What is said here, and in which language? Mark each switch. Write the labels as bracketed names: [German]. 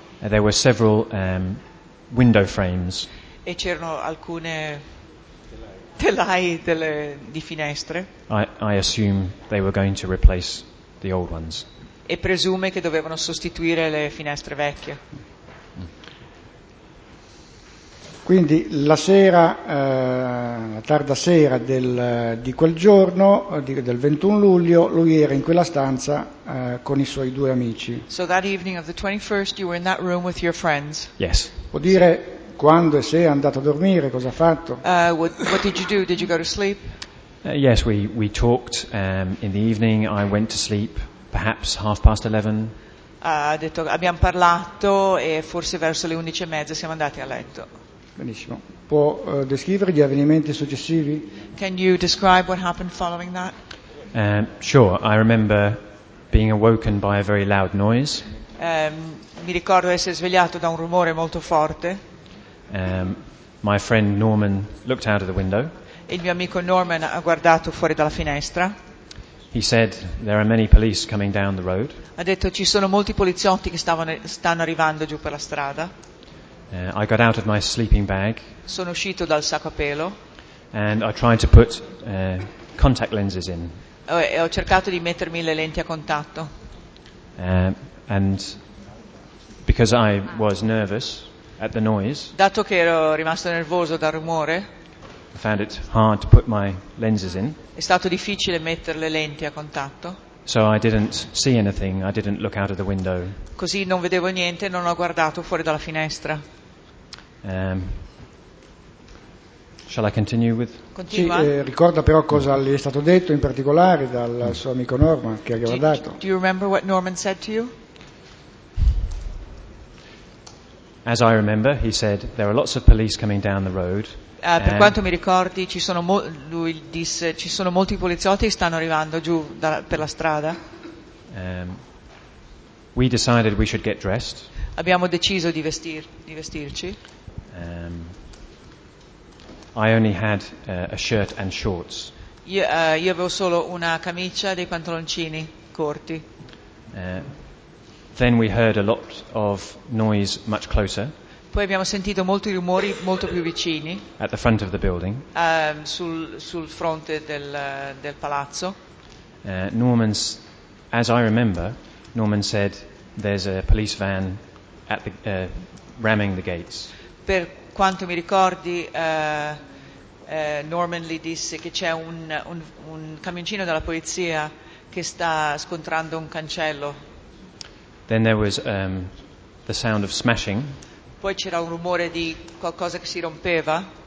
[English] And there were several window frames. [Italian] E c'erano alcune telai di finestre. [English] I assume they were going to replace the old ones. [Italian] E presume che dovevano sostituire le finestre vecchie. Quindi la sera, la tarda sera di quel giorno, del 21 luglio, lui era in quella stanza con i suoi due amici. [English] So that evening of the 21st you were in that room with your friends? Yes. [Italian] Può dire quando e se è andato a dormire, cosa ha fatto? [English] What did you do? Did you go to sleep? Yes, we talked in the evening. I went to sleep perhaps half past 11. [Italian] Ha detto abbiamo parlato e forse verso le 11:30 siamo andati a letto. Benissimo. Può descrivere gli avvenimenti successivi? [English] Can you describe what happened following that? Sure. I remember being awoken by a very loud noise. [Italian] Mi ricordo essere svegliato da un rumore molto forte. [English] My friend Norman looked out of the window. [Italian] il mio amico Norman ha guardato fuori dalla finestra. [English] He said, there are many police coming down the road. [Italian] Ha detto ci sono molti poliziotti che stanno arrivando giù per la strada. [English] I got out of my sleeping bag. [Italian] Sono uscito dal sacco a pelo. [English] And I tried to put contact lenses in. [Italian] Ho cercato di mettermi le lenti a contatto. [English] And because I was nervous at the noise. [Italian] Dato che ero rimasto nervoso dal rumore. [English] I found it hard to put my lenses in. [Italian] È stato difficile mettere le lenti a contatto. [English] So I didn't see anything. I didn't look out of the window. [Italian] Così non vedevo niente, non ho guardato fuori dalla finestra. [English] Shall I continue with? [Italian] Continua. Sì, ricorda però cosa gli è stato detto in particolare dal suo amico Norman che ha guardato. [English] Do you remember what Norman said to you? As I remember, he said there are lots of police coming down the road. [Italian] Per quanto mi ricordi, lui disse ci sono molti poliziotti che stanno arrivando giù per la strada. [English] We decided we should get dressed. [Italian] Abbiamo deciso di vestirci. [English] I only had a shirt and shorts. [Italian] Io avevo solo una camicia e dei pantaloncini corti. [English] Then we heard a lot of noise much closer. [Italian] Poi abbiamo sentito molti rumori molto più vicini. [English] At the front of the building. [Italian] Sul fronte del palazzo. [English] Norman's, as I remember, Norman said there's a police van at the ramming the gates. [Italian] Per quanto mi ricordi, Norman gli disse che c'è un camioncino della polizia che sta scontrando un cancello. [English] Then there was the sound of smashing. [Italian] Poi c'era un rumore di qualcosa che si rompeva.